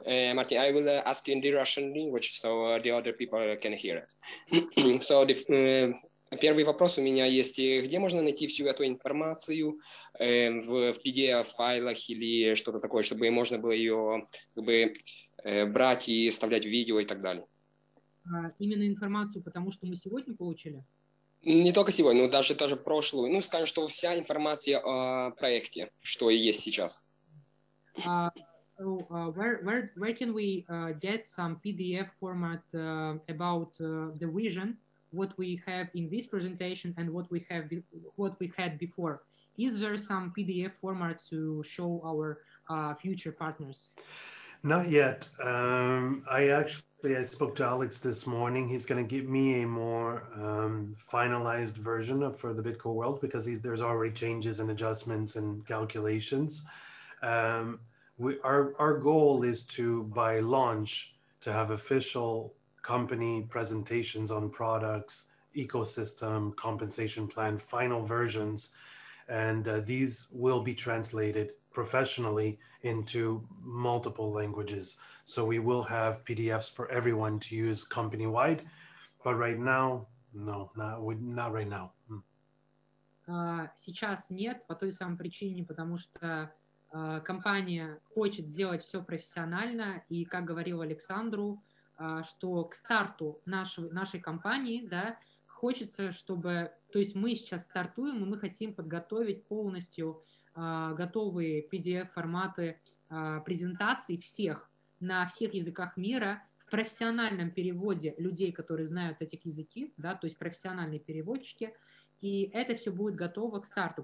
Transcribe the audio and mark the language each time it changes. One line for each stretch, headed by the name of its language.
English: Martin, I will ask you in the Russian language, so the other people can hear it.
Russian: So, первый вопрос у меня есть, где можно найти всю эту информацию в PDF-файлах или что-то такое, чтобы можно было ее как бы, брать и вставлять в видео и так далее? Именно информацию, потому что мы сегодня получили? Не только сегодня, но даже прошлую. Ну, скажем, что вся информация о проекте, что есть сейчас.
English: Where can we get some PDF format about the vision, what we have in this presentation and what we had before? Is there some PDF format to show our future partners? Not yet. I spoke to Alex this morning. He's going to give me a more finalized version of for the Bitco world because there's already changes and adjustments and calculations. Our goal is to, by launch, to have official company presentations on products, ecosystem, compensation plan, final versions. And these will be translated professionally into multiple languages. So we will have PDFs for everyone to use company-wide, but right now, no, not right now.
Russian: Сейчас нет, по той самой причине, потому что компания хочет сделать все профессионально, и, как говорил Александру, что к старту нашей компании, да, хочется, чтобы... То есть мы сейчас стартуем, и мы хотим подготовить полностью готовые PDF-форматы презентаций всех на всех языках мира в профессиональном переводе людей, которые знают эти языки, да, то есть профессиональные переводчики, и это все будет готово к старту.